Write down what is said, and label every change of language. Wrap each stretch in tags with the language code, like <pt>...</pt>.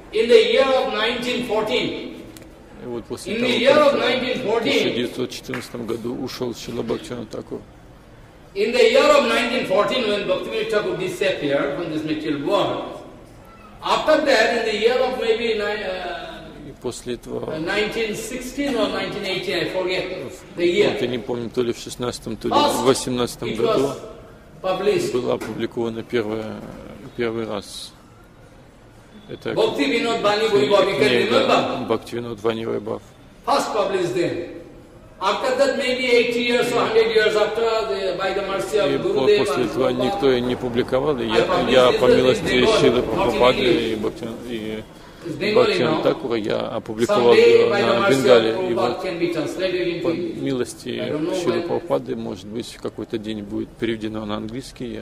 <ru>И вот после того, как в 1914 году ушел Шрила Бхактинатаку.</ru> <en>In the year of 1914, when Bhaktivinoda Thakur disappeared from this material world, after that, in the year of maybe 1916 or 1918, I forget the year. First, it was published. Bhaktivinoda Bani Vaibhav, you can remember? Bhaktivinoda Bani Vaibhav. First published then. After that, maybe 80 years or 100 years after, by the mercy of Gurudev and Prabhupada.</en> <ru>После этого никто и не публиковал. Я по милости Шрилы Прабхупады и Бхактинатакура я опубликовал на Бенгали. И вот по милости Шрилы Прабхупады, может быть, в какой-то день будет переведено на английский.</ru>